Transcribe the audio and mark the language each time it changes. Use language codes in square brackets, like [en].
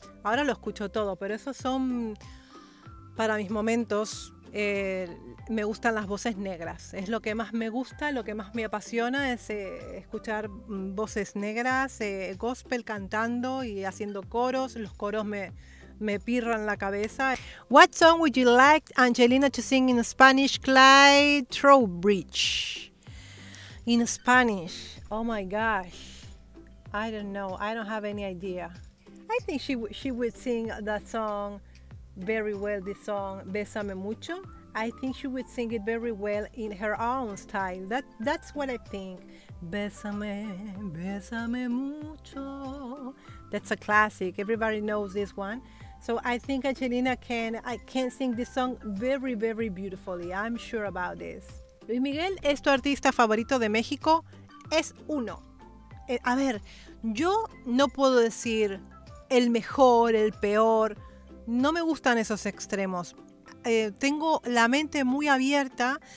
[es] Ahora lo escucho todo, pero esos son para mis momentos. Me gustan las voces negras, es lo que más me gusta, lo que más me apasiona es escuchar voces negras, gospel cantando y haciendo coros, los coros me pirran la cabeza. [en] What song would you like Angelina to sing in Spanish, Clyde Trowbridge? In Spanish, oh my gosh, I don't know, I don't have any idea. I think she would sing that song very well, this song, Bésame Mucho. I think she would sing it very well in her own style. That's what I think. Bésame, bésame mucho. That's a classic. Everybody knows this one. So I think Angelina can sing this song very, very beautifully. I'm sure about this. [es] Luis Miguel, ¿es tu artista favorito de México? Es uno. A ver, yo no puedo decir el mejor, el peor. No me gustan esos extremos. Tengo la mente muy abierta.